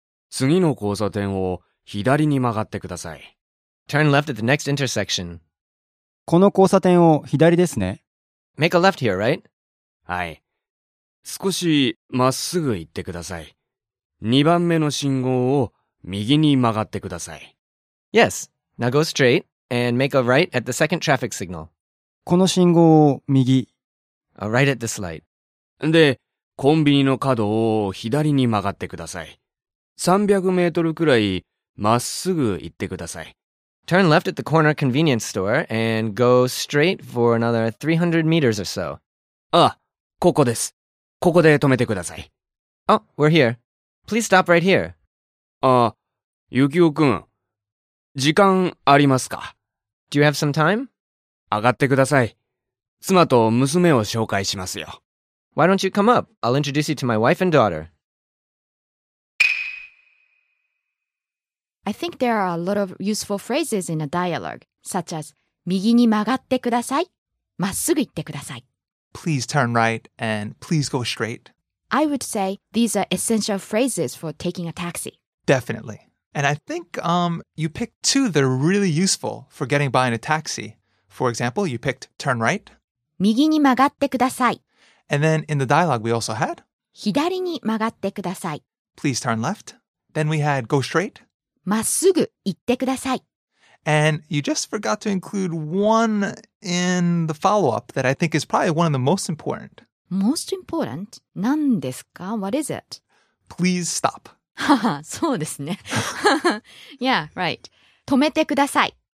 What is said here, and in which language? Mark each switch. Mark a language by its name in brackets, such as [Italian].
[Japanese] 次の交差点を左に曲がってください。 [English] Turn left at the next intersection. [Japanese] この交差点を左ですね。 [English] Make a left here, right? [Japanese] はい。少しまっすぐ行ってください。2番目の信号を右に曲がってください。 [English] Yes. Now go straight and make a right at the second traffic signal. [Japanese] この信号を右。 [English] Right at this light. [Japanese] で、コンビニの角を左に曲がってください。 300メートルくらいまっすぐ行ってください。 [English] Turn left at the corner convenience store and go straight for another 300 meters or so. [Japanese] あ、ここです。ここで止めてください。 [English] Oh, we're here. Please stop right here. [Japanese] あ、ゆきおくん、時間ありますか？ [English] Do you have some time? [Japanese] 上がってください。妻と娘を紹介しますよ。 [English] Why don't you come up? I'll introduce you to my wife and daughter. I think there are a lot of useful phrases in a dialogue, such as [Japanese] 右に曲がってください。まっすぐ行ってください。 [English] Please turn right and please go straight. I would say these are essential phrases for taking a taxi. Definitely. And I think you picked two that are really useful for getting by in a taxi. For example, you picked turn right. [Japanese] 右に曲がってください。 [English] And then in the dialogue we also had [Japanese] 左に曲がってください。 [English] Please turn left. Then we had go straight. [Japanese] まっすぐ行ってください。 [English] And you just forgot to include one in the follow-up that I think is probably one of the most important. Most important? [Japanese] 何ですか? [English] What is it? Please stop. [Japanese] そうですね。 [English] Yeah, right. [Japanese] 止めてください。